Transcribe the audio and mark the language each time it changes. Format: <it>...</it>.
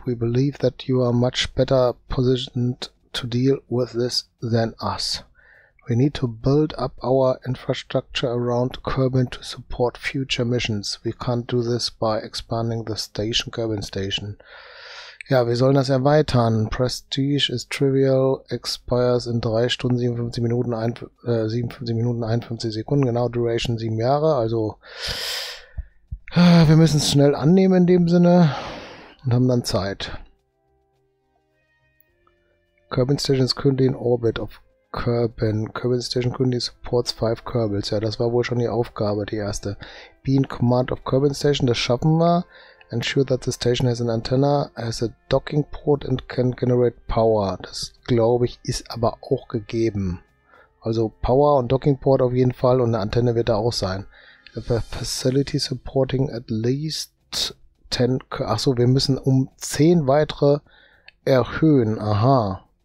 <en>We believe that you are much better positioned to deal with this than us. We need to build up our infrastructure around Kerbin to support future missions. We can't do this by expanding the station, Kerbin Station.</en> <de>Ja, wir sollen das erweitern.</de> <en>Prestige is trivial, expires in</en> <de>3 Stunden 57 Minuten 51 Sekunden, genau, Duration 7 Jahre, also wir müssen es schnell annehmen in dem Sinne und haben dann Zeit.</de> <en>Kerbin Station is currently in orbit of Kerbin. Kerbin Station currently supports 5 Kerbals.</en> <de>Ja, das war wohl schon die Aufgabe, die erste.</de> <en>Be in command of Kerbin Station,</en> <de>das schaffen wir.</de> <en>Ensure that the station has an antenna, has a docking port and can generate power.</en> <de>Das, glaube ich, ist aber auch gegeben. Also Power und Docking Port auf jeden Fall und eine Antenne wird da auch sein.</de> <en>The facility supporting at least 10...</en> <de>Achso, wir müssen um 10 weitere erhöhen. Aha.</de>